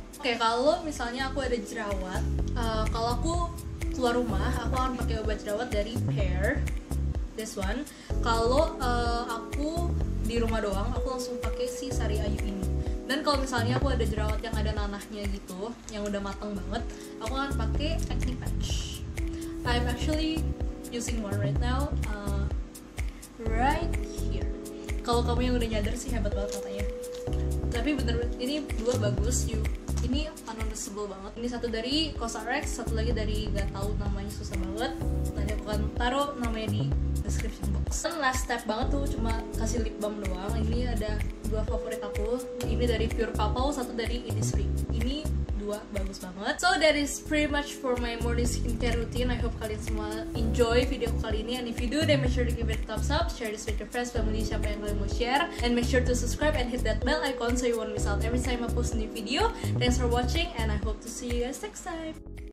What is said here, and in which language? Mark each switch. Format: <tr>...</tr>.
<id>Oke, kalau misalnya aku ada jerawat, kalau aku keluar rumah, aku akan pakai obat jerawat dari Pear.</id> <en>This one.</en> <id>Kalau aku di rumah doang, aku langsung pakai si Sari Ayu ini. Dan kalau misalnya aku ada jerawat yang ada nanahnya gitu, yang udah mateng banget, aku akan pakai acne patch.</id> <en>I'm actually using one right now, right here.</en> <id>Kalau kamu yang udah nyadar sih hebat banget katanya. Tapi bener, ini dua bagus. Ini</id> <en>unnoticeable</en> <id>banget. Ini satu dari COSRX, satu lagi dari gak tahu namanya, susah banget. Nanti aku akan taruh namanya di</id> <en>description box.</en> <id>Dan</id> <en>last step</en> <id>banget tuh cuma kasih lip balm doang. Ini ada dua favorit aku. Ini dari Pure Papaw, satu dari Innisfree. Ini dua bagus banget.</id> <en>So that is pretty much for my morning skincare routine. I hope</en> <id>kalian semua</id> <en>enjoy</en> <id>video kali ini.</id> <en>And if you do, then make sure to give it a thumbs up, share this with your friends, family,</en> <id>siapa yang kalian mau share.</id> <en>And make sure to subscribe and hit that bell icon so you won't miss out every time I post a new video. Thanks for watching and I hope to see you guys next time.</en>